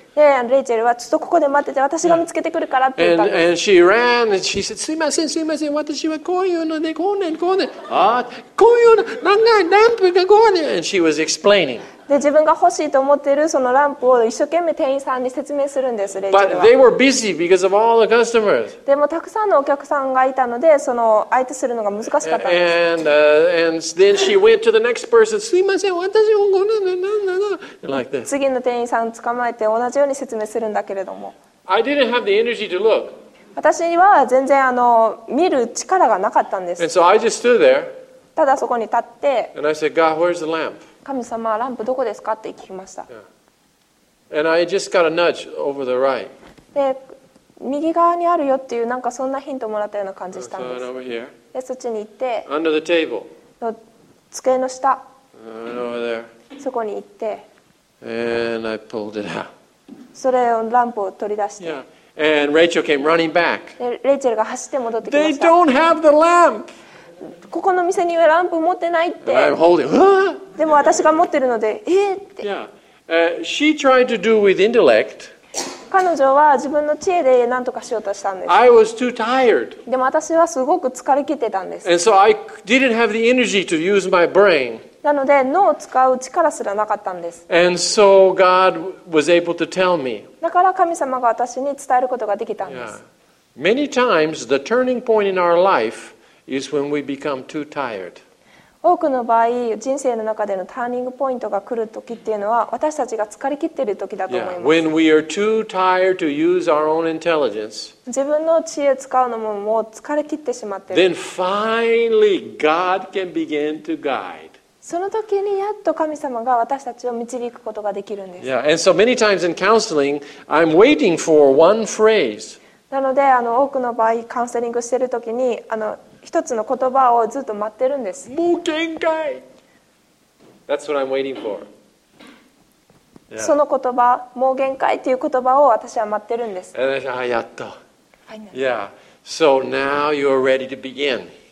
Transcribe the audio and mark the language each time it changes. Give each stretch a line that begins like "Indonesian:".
Japanese: でレイチェルはちょっとここで待ってて私が見つけてくるからって言ったんです。
English: Yeah. And she ran and she said,
Japanese: すいません、私はこういうのでこうねん、こういうの長いランプがこうねん。
English: And she was explaining.
Japanese: で自分が欲しいと思っているそのランプを一生懸命店員さんに説明するんです、レイチェル
English: は。But they were busy because of all the customers.
Japanese: でもたくさんのお客さんがいたのでその相手するのが難しかったんです。
English: And then she went to the next person.
Japanese: すいません、私もこうねん。
English: Like、
Japanese: 次の店員さんを捕まえて同じように説明するんだけれども
English: I didn't have the energy to look.
Japanese: 私は全然あの見る力がなかったんです
English: And so I just stood there.
Japanese: ただそこに立って
English: And I said, God, where's the lamp?
Japanese: 神様ランプどこですかって聞きました、
English: yeah. And I just got a nudge over the right.
Japanese: で右側にあるよっていうなんかそんなヒントをもらったような感じしたんです、
English: so、over here.
Japanese: でそっちに行って
English: Under the table.
Japanese: の机の下、
English: over there.
Japanese: そこに行って
English: And I pulled it out.
Japanese: それをランプを取り出して。
English: Yeah. And Rachel came running back.
Japanese: レイチェルが走って戻ってきました。
English: They don't have the lamp.
Japanese: ここの店にはランプ持ってないって。
English: I'm holding.
Japanese: でも私が持ってるので、って。
English: Yeah. She tried to do with intellect.
Japanese: 彼女は自分の知恵で何とかしようとしたんです。
English: I was too tired.
Japanese: でも私はすごく疲れ切ってたんです。
English: And so I didn't have the energy to use my brain.
Japanese: なので脳を使う力すらなかったんです。
English: And so God was able to tell me.
Japanese: だから神様が私に伝えることができたんです。
English: Many times the turning point in our life is when we become too tired.
Japanese: 多くの場合、人生の中でのターニングポイントが来る時っていうのは私たちが疲れ切っている時だと思います。
English: Yeah. When we are too tired to use our own intelligence.
Japanese: 自分の知恵を使うのももう疲れ切ってしまっている。
English: Then finally God can begin to guide.
Japanese: その時にやっと神様が私たちを導くことができるんです。
English: Yeah, and so many times in counseling, I'm waiting for one phrase.
Japanese: なのであの多くの場合、カウンセリングしている時にあの一つの言葉をずっと待ってるんです。もう限界。
English: That's what I'm waiting for.
Japanese: その言葉、もう限界という言葉を私は待ってるんです。
English: And I said, ah,
Japanese: やっと。
English: Yeah, so now you're ready to begin.